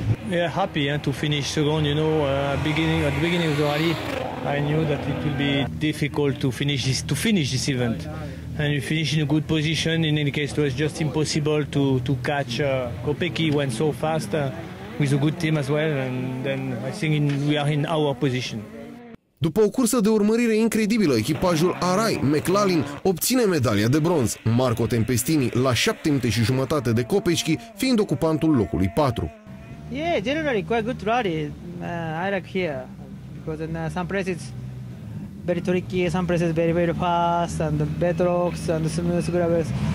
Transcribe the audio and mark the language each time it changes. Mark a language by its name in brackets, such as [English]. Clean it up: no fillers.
[English] Yeah, happy to finish second, you know, at the beginning of the rally I knew that it would be difficult to finish this event, and we finished in a good position. In any case, it was just impossible to catch Kopechki, went so fast with a good team as well, and then I think we are in our position. [Romanian] După o cursă de urmărire incredibilă, echipajul Arai McLaren obține medalia de bronz, Marco Tempestini la 7 minute și jumătate de Kopechki, fiind ocupantul locului 4. [English] Yeah, generally quite good rally. I like here because in some places very tricky, some places very very fast and the bedrocks and smooth gravels.